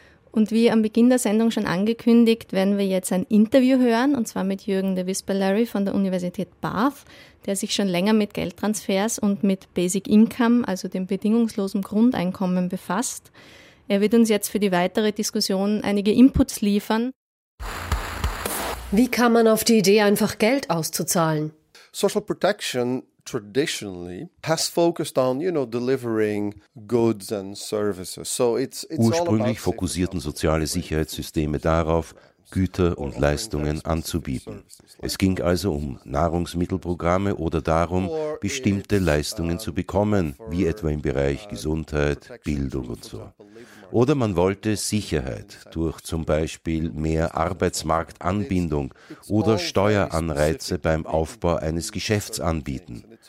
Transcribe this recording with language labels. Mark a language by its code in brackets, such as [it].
[de] Und wie am Beginn der Sendung schon angekündigt, werden wir jetzt ein Interview hören, und zwar mit Jürgen de Wispelary von der Universität Bath, der sich schon länger mit Geldtransfers und mit Basic Income, also dem bedingungslosen Grundeinkommen, befasst. Er wird uns jetzt für die weitere Diskussion einige Inputs liefern. Wie kam man auf die Idee, einfach Geld auszuzahlen? [en] Social protection traditionally has focused on, you know, delivering goods and services. So it's [de] ursprünglich fokussierten soziale Sicherheitssysteme darauf, Güter und Leistungen anzubieten. Es ging also um Nahrungsmittelprogramme oder darum, bestimmte Leistungen zu bekommen, wie etwa im Bereich Gesundheit, Bildung und so. Oder man wollte Sicherheit durch zum Beispiel mehr Arbeitsmarktanbindung oder Steueranreize beim Aufbau eines Geschäfts anbieten.